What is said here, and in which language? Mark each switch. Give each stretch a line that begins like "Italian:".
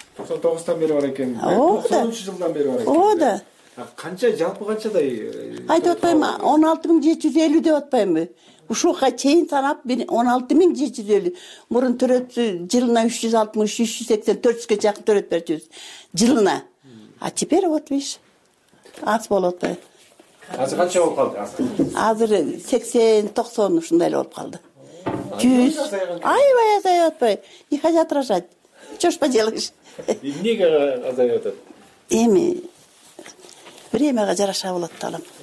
Kyrgyz: 99-дан бери бар экен. 93 жылдан бери бар экен. О да. Канча, жалпы канчадай? Айтып атпайм, 16750 деп атпаймбы? Ушуга чейин санап 16750. Мурун төрөтү жылына 360, 380, 400ге жакын төрөт берчүбүз жылына.
Russian: А теперь вот видишь,
Kyrgyz: аз болуп атпайбы. Азыр канча болуп калды? Азыр 80-90 ушундай эле болуп калды.
Russian: 100.
Kyrgyz: Аябай азайып атпайбы.
Russian: Не хотят рожать? Чё ж поделаешь?
Kyrgyz: Эмнеге азайып атат? Эми времяга жараша болот да алам.